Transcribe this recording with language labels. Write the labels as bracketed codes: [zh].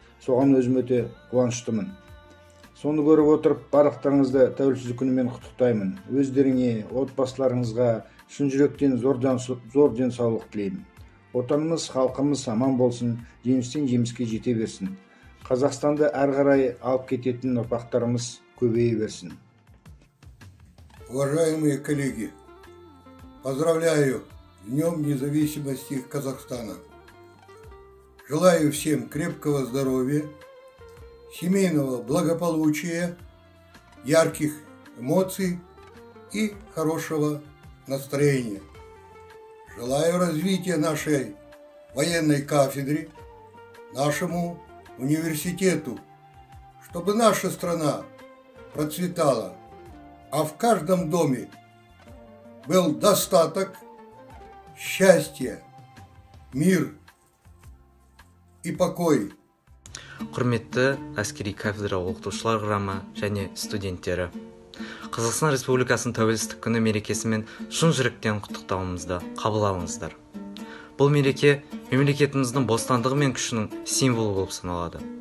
[kk] Соған өзім өте қуаныштымын. Соны көріп отырып, барлықтарыңызды тәуелсіздік күнімен құттықтаймын. Өздеріңе, отбасыларыңызға шын жүректен зор денсаулық тілеймін. Отанымыз, халқымыз аман болсын, жеңістен жеңіске жете берсін. Қазақстанды әр қарай алып кететін ұрпақтарымыз көбейе берсін. [ru] Уважаемые коллеги, поздравляю Днем независимости Казахстана. Желаю всем крепкого здоровья, семейного благополучия, ярких эмоций и хорошего настроения. Желаю развития нашей военной кафедры, нашему университету, чтобы наша страна процветала, а в каждом доме был достаток, счастье, мир и покой. [kk] Құрметті әскери кафедра оқытушылар құрамы және студенттері, Қазақстан Республикасының тәуелсіздік күні мерекесімен шын жүректен құттықтауымызды қабыл алыңыздар. Бұл мереке мемлекетіміздің бостандығы мен күшінің символы болып саналады.